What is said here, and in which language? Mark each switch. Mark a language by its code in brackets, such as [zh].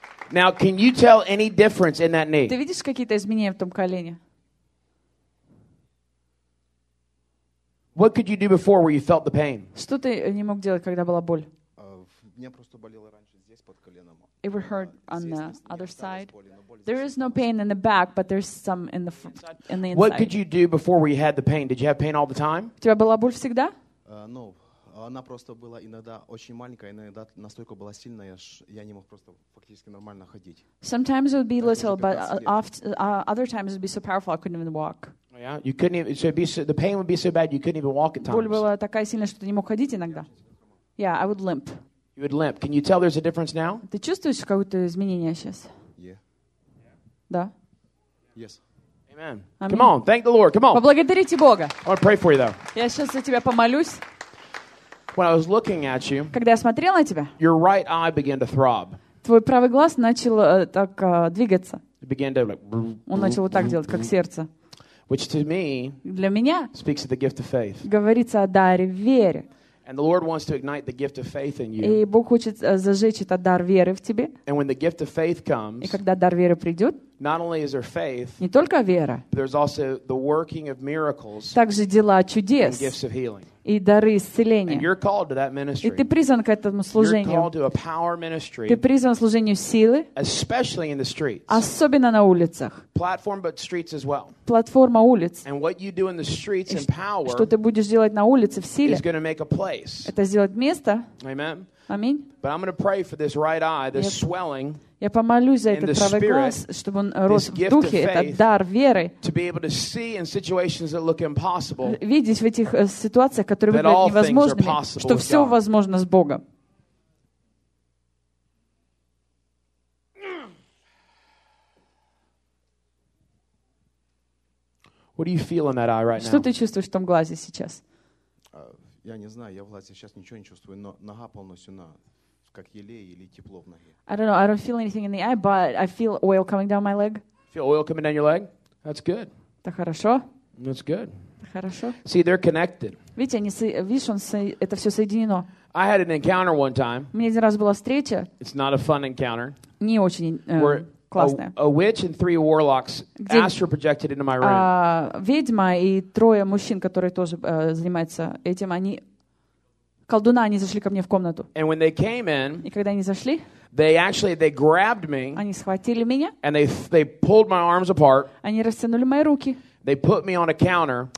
[en] Now, can you tell any difference in that knee? [ru] Ты видишь какие-то изменения в том колене? [en] What could you do before where you felt the pain? [ru] Что ты не мог делать, когда была боль? Мне просто болело раньше здесь под коленом. [en] It would hurt on the other side. There is no pain in the back, but there's some in the inside. What could you do before where you had the pain? Did you have pain all the time? [ru] У тебя была боль всегда? No, она просто была иногда очень маленькая, иногда настолько была сильная, я не мог просто фактически нормально ходить. [en] Sometimes it would be little, but other times it would be so powerful I couldn't even walk. Yeah, you couldn't even. So, be so the pain would be so bad you couldn't even walk at times. [ru] Боль была такая сильная, что ты не мог ходить иногда. [en] Yeah, I would limp. You would limp. Can you tell there's a difference now? [ru] Ты чувствуешь какое-то изменение сейчас? [en] Yeah. [ru] Да. [en] Yes. Amen. Amen. Come on, thank the Lord. Come on. [ru] Поблагодарите Бога. [en] I want to pray for you though. [ru] Я сейчас за тебя помолюсь. [en] When I was looking at you, [ru] когда я смотрел на тебя, [en] your right eye began to throb. [ru] Твой правый глаз начал так двигаться. [en] It began to like. [ru] Он начал вот так делать, как сердце. [en] Which to me, [ru] для меня, [en] speaks of the gift of faith. [ru] Говорится о даре веры. [en] And the Lord wants to ignite the gift of faith in you. [ru] И Бог хочет зажечь этот дар веры в тебе. [en] And when the gift of faith comes, [ru] и когда дар веры придет, [en] not only is there faith, [ru] не только вера, [en] but there's also the working of miracles, [ru] также дела чудес, [en] and gifts of healing. [ru] И дары исцеления. [en] And you're called to that ministry. [ru] И ты призван к этому служению. [en] You're called to a power ministry, [ru] ты призван к служению силы. [en] Especially in the streets. [ru] Особенно на улицах. [en] Platform, but streets as well. [ru] Платформа улиц. [en] And what you do in the streets in power, [ru] что ты будешь делать на улице в силе, [en] is going to make a place. [ru] Это сделать место. [en] Amen. [ru] Аминь. [en] But I'm going to pray for this right eye, this swelling. [ru] Я помолюсь за этот правый глаз, чтобы он рос в духе, этот дар веры, видеть в этих ситуациях, которые выглядят невозможными, что все возможно с Богом. Что ты чувствуешь в том глазе сейчас? Я не знаю, я в глазе сейчас ничего не чувствую, но нога полностью на... как елей или тепло в ноге. [en] I don't know. I don't feel anything in the eye, but I feel oil coming down my leg. Feel oil coming down your leg? That's good. [ru] Это хорошо. [en] That's good. [ru] Хорошо. [en] See, they're connected. [ru] Видите, они это все соединено. [en] I had an encounter one time. [ru] У меня один раз была встреча. [en] It's not a fun encounter. [ru] Не очень классная. [en] A witch and three warlocks astral projected into my room. [ru] Ведьма и трое мужчин, которые тоже занимаются этим, они колдуна, они зашли ко мне в комнату. [en] And when they came in, [ru] и когда они зашли, [en] they grabbed me, [ru] они схватили меня, [en] and they pulled my arms apart, [ru] они растянули мои руки, [en] they put me on a counter,